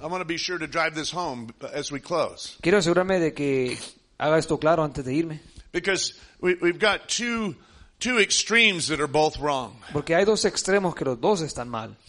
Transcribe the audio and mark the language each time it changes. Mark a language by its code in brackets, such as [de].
[en] I want to be sure to drive this home as we close. [es] Quiero asegurarme de que haga esto claro antes de irme. [en] Because we've got two extremes that are both wrong. [es] Porque hay dos extremos que los dos están mal.